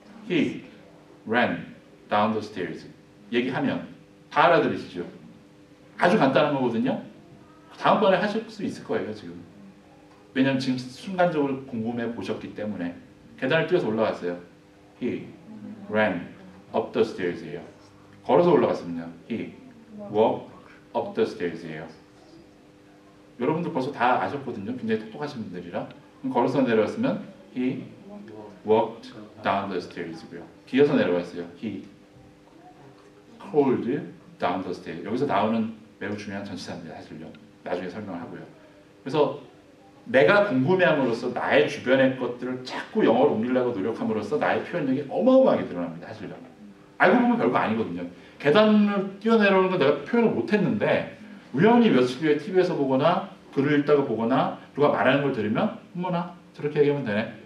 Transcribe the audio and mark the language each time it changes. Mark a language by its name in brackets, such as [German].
[English] He ran down the stairs. [Korean] 얘기하면 다 알아들으시죠? 아주 간단한 거거든요. 다음번에 하실 수 있을 거예요, 지금. 왜냐면 지금 순간적으로 궁금해 보셨기 때문에. 계단을 뛰어서 올라갔어요. [English] He ran up the stairs예요. [Korean] 걸어서 올라갔습니다. [English] He walked up the stairs예요. [Korean] 여러분들 벌써 다 아셨거든요. 굉장히 똑똑하신 분들이라. 그럼 걸어서 내려갔으면 [English] He walked down the stairs고요. [Korean] 기어서 내려갔어요. [English] He crawled down the stairs. [Korean] 여기서 나오는 매우 중요한 전치사입니다. 사실요. 나중에 설명을 하고요. 그래서 내가 궁금해함으로써 나의 주변의 것들을 자꾸 영어로 옮기려고 노력함으로써 나의 표현력이 어마어마하게 늘어납니다. 사실요. 알고 보면 별거 아니거든요. 계단을 뛰어내려오는 건 내가 표현을 못했는데 우연히 며칠 뒤에 TV에서 보거나 글을 읽다가 보거나 누가 말하는 걸 들으면 어머나 저렇게 얘기하면 되네.